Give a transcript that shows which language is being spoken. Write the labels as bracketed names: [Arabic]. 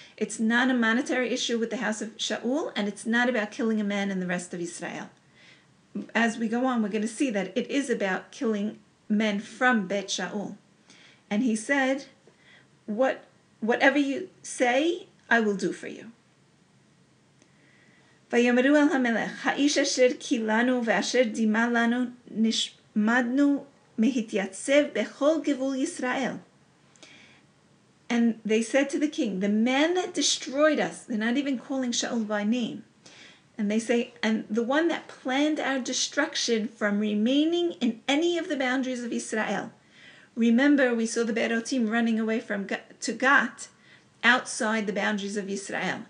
[English] It's not a monetary issue with the house of Shaul, and it's not about killing a man and the rest of Yisrael. As we go on, we're going to see that it is about killing men from Bet Shaul. And he said, whatever you say, I will do for you. [Hebrew] ויאמרו אל המלך, האיש אשר קילנו ואשר דימה לנו נשמדנו מהתייצב בכל גבול ישראל. [English] And they said to the king, the man that destroyed us, they're not even calling Shaul by name. And they say, and the one that planned our destruction from remaining in any of the boundaries of Israel. Remember, we saw the Be'erotim running away from to Gat outside the boundaries of Israel.